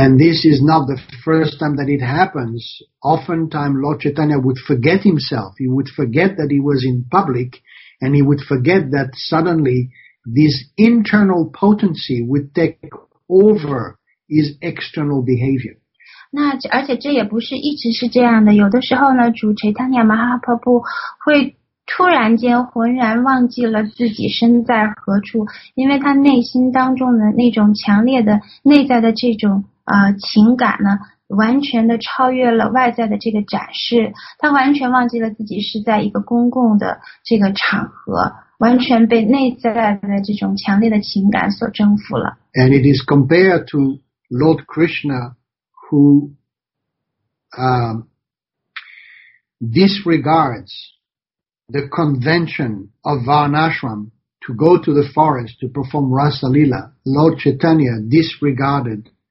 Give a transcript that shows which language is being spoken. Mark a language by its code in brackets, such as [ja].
[en] And this is not the first time that it happens. Oftentimes, Lord Chaitanya would forget himself. He would forget that he was in public, and he would forget that suddenly. This internal potency would take over his external behavior. [zh] 那而且这也不是一直是这样的。有的时候呢，主 Chaitanya Mahaprabhu 会突然间浑然忘记了自己身在何处，因为他内心当中的那种强烈的内在的这种情感呢，完全的超越了外在的这个展示。他完全忘记了自己是在一个公共的这个场合。完全被内在的这种强烈的情感所征服了。 [en] And it is compared to Lord Krishna who disregards the convention of Varnashram to go to the forest to perform Rasa Lila. Lord Chaitanya disregarded